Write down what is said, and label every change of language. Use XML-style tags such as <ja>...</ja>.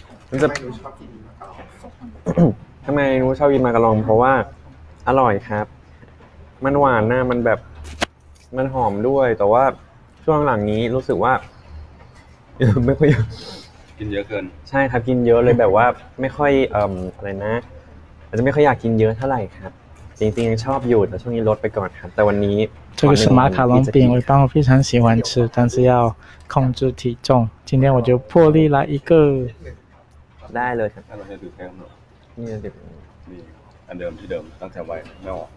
<th>มันจะทำไมนูชอบกินมากะลองเพราะว่าอร่อยครับมันหวานนะมันแบบมันหอมด้วยแต่ว่าช่วงหลังนี้รู้สึกว่าไม่ค่อย กินเยอะเกิน ใช่ครับกินเยอะเลยแบบว่าไม่ค่อยอะไรนะอาจจะไม่ค่อยอยากกินเยอะเท่าไหร่ครับจริงๆชอบอยู่แต่ช่วงนี้ลดไปก่อนครับแต่วันนี้</th> <zh>这个是马卡龙饼我当我非常喜欢吃但是要控制体重今天我就破例来一个</zh> <th>ได้เลยครับ เราจะดูแค่ขน มนี่จะเด็ด นี่อันเดิมที่เดิมตั้งแต่วัยไม่ออก</th>